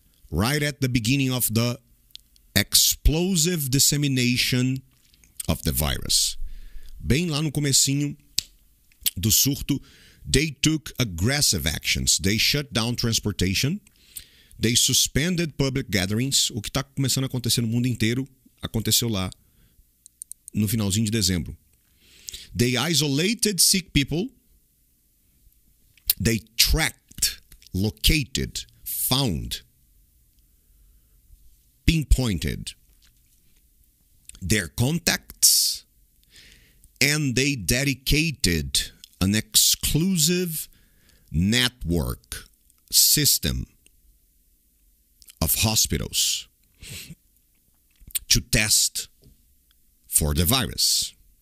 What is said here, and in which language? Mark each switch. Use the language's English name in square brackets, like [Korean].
[English] Right at the beginning of the explosive dissemination of the virus. [Portuguese] Bem lá no comecinho do surto, [English] they took aggressive actions. They shut down transportation. They suspended public gatherings. [Portuguese] O que está começando a acontecer no mundo inteiro aconteceu lá no finalzinho de dezembro. [English] They isolated sick people. They tracked, located, found, pinpointed their contacts, and they dedicated an exclusive network system of hospitals to test for the virus.